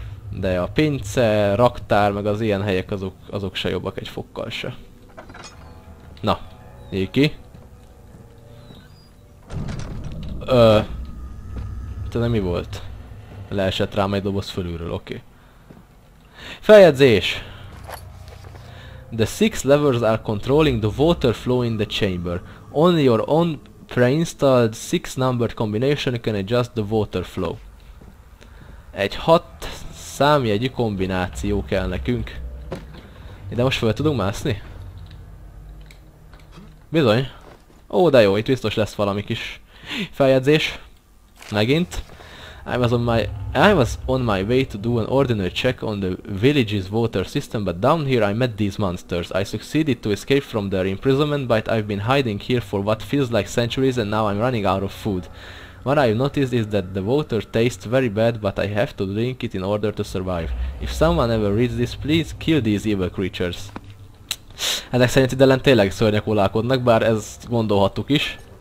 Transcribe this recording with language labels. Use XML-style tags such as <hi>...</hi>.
<hu>De a pince, raktár, meg az ilyen helyek azok se jobbak egy fokkal se. Na, nyílj ki. Te nem mi volt? Leesett rám egy doboz fölülről, oké. Feljegyzés!</hu> <en>The six levers are controlling the water flow in the chamber. Only your own pre-installed six numbered combination can adjust the water flow.</en> <hu>Egy hat számjegyű kombináció kell nekünk. De most fel tudunk mászni? Bizony. Ó, de jó, itt biztos lesz valami kis feljegyzés. Megint.</hu> <en>I was on my way to do an ordinary check on the village's water system, but down here I met these monsters. I succeeded to escape from their imprisonment, but I've been hiding here for what feels like centuries, and now I'm running out of food. What I've noticed is that the water tastes very bad, but I have to drink it in order to survive. If someone ever reads this, please kill these evil creatures.</en> <hu>Ezek szerint ide lent tényleg szörnyek ulálkodnak, bár ezt gondolhattuk is.</hu>